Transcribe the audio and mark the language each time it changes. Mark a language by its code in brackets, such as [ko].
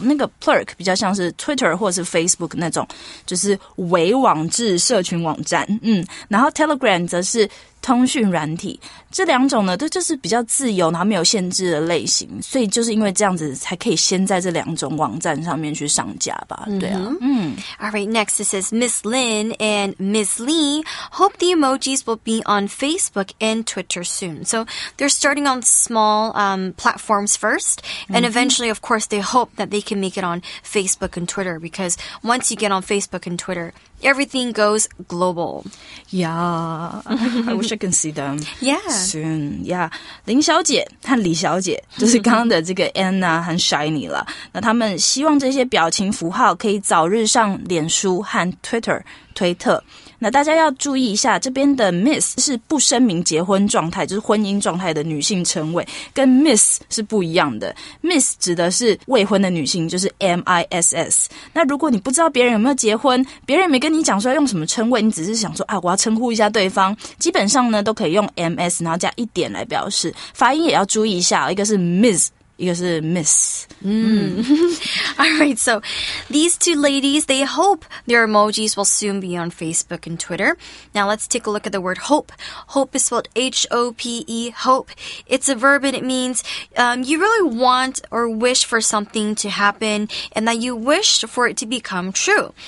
[zh] 那个 Plurk 比较像是 Twitter 或是 Facebook 那种就是微网志社群网站。然后 Telegram 则是通讯软体。这两种呢都就是比较自由然后没有限制的类型。所以就是因为这样子才可以先在这两种网站上面去上架吧。对啊。 [en] Alright, next this is Miss Lin and Miss Lee. Hope the emojis will be on Facebook and Twitter soon. So they're starting on small platforms first. And eventually, of course, they hope that they can make it on Facebook and Twitter. Because once you get on Facebook and Twitter, everything goes global. Yeah. I wish I can see them. Yeah. Soon. Yeah. [zh] 林小姐和李小姐就是刚刚的这个 Anna 和 Shiny 了。那他们希望这些表情符号可以早日上脸书和 Twitter 推特。那大家要注意一下，这边的 Miss 是不声明结婚状态，就是婚姻状态的女性称谓，跟 Miss 是不一样的。 Miss 指的是未婚的女性，就是 M-I-S-S。那如果你不知道别人有没有结婚，别人没跟你讲说要用什么称谓，你只是想说啊，我要称呼一下对方，基本上呢都可以用 M-S 然后加一点来表示。发音也要注意一下，一个是 Miss。一个是 Miss. [en] Alright, so these two ladies, they hope their emojis will soon be on Facebook and Twitter. Now let's take a look at the word hope. Hope is spelled H-O-P-E, hope. It's a verb and it means you really want or wish for something to happen and that you wish for it to become true.